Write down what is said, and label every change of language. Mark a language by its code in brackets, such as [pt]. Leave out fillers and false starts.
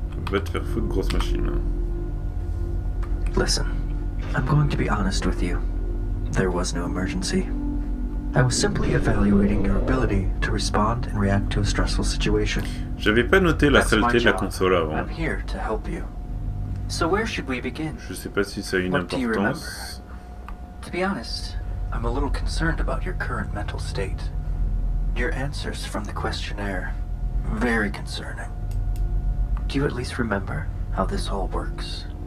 [fr] Va te faire foutre, grosse machine. [en] Listen, I'm going to be honest with you. There was no emergency. I was simply evaluating your ability to respond and react to a stressful situation. [fr] J'avais pas noté la saleté de la console avant. [en] I'm here to help you. So where should we begin? [fr] Je sais pas si ça a une importance. [en] What do you remember? To be honest, I'm a little concerned about your current mental state. Your answers from the questionnaire, very concerning. Do you at least remember how this all works?